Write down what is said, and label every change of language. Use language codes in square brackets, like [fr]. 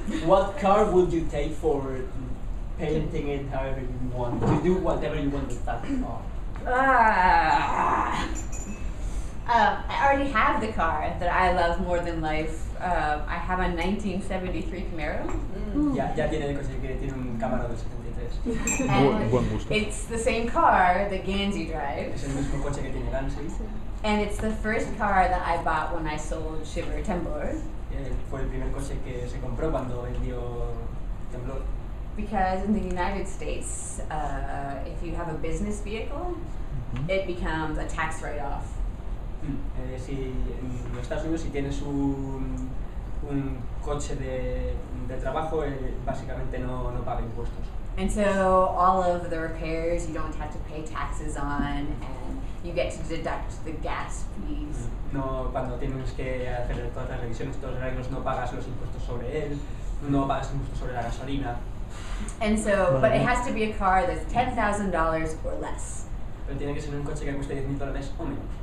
[en] What car would you take for painting it however you want? To do whatever you want with that car. I already have the car that I love more than life. I have a 1973 Camaro. [es] Ya tiene el coche que tiene un Camaro de 73. [en] It's the same car that Gansey drives. [es] Es el mismo coche que tiene Gansey. [en] And it's the first car that I bought when I sold Shiver Temblor. [es] Fue el primer coche que se compró cuando vendió Temblor. [en] because in the United States, if you have a business vehicle, mm-hmm. it becomes a tax write-off. [es] Si en Estados Unidos si tienes un coche de trabajo, básicamente no paga impuestos. [en] And so all of the repairs you don't have to pay taxes on, and you get to deduct the gas fees. [es] No, cuando tienes que hacer todas las revisiones, todos los arreglos, no pagas los impuestos sobre él, no pagas impuestos sobre la gasolina. [en] And so, but it has to be a car that's $10,000 or less. [es] Pero tiene que ser un coche que cueste $10,000 o menos.